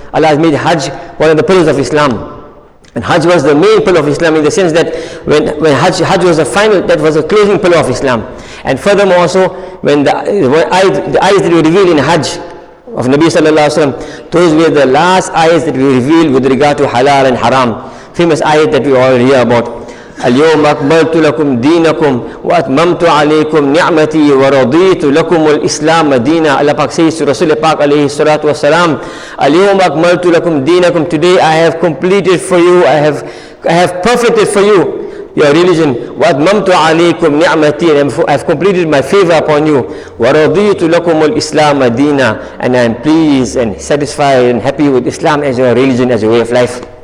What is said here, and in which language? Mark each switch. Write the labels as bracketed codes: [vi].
[en] Allah has made hajj one of the pillars of Islam. And hajj was the main pillar of Islam, in the sense that when hajj was the final, that was the closing pillar of Islam. And furthermore also, when the eyes that were revealed in hajj of Nabi Sallallahu Alaihi Wasallam, those were the last eyes that were revealed with regard to halal and haram. Famous ayat that we all hear about. [ar] اليوم أكملت لكم دينكم وأتممت عليكم نعمتي ورضيت لكم الإسلام دينا. [en] Allah Pak says to Rasul Pak alayhi salatu wasalam, [ar] اليوم أكملت لكم دينكم, [en] today I have completed for you, I have perfected for you your religion. [ar] وأتممت عليكم نعمتي, [en] and I have completed my favor upon you. [ar] ورضيت لكم الإسلام دينا, [en] and I am pleased and satisfied and happy with Islam as your religion, as your way of life.